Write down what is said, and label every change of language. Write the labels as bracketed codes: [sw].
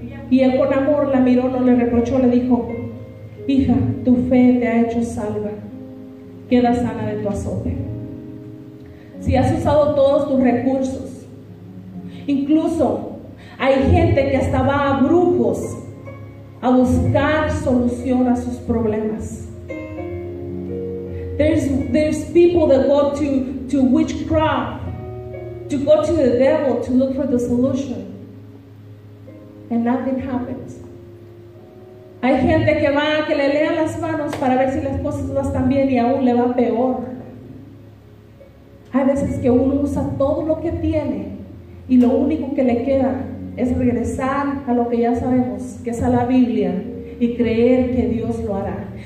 [es] Y él con amor la miró, no le reprochó, le dijo, hija, tu fe te ha hecho salva. Queda sana de tu azote. Si has usado todos tus recursos, incluso hay gente que hasta va a brujos a buscar solución a sus problemas. [en] There's people that go to witchcraft, to go to the devil to look for the solution, and nothing happens. [es] Hay gente que va a que le lean las manos para ver si las cosas no están bien y aún le va peor. Hay veces que uno usa todo lo que tiene y lo único que le queda es regresar a lo que ya sabemos, que es a la Biblia, y creer que Dios lo hará.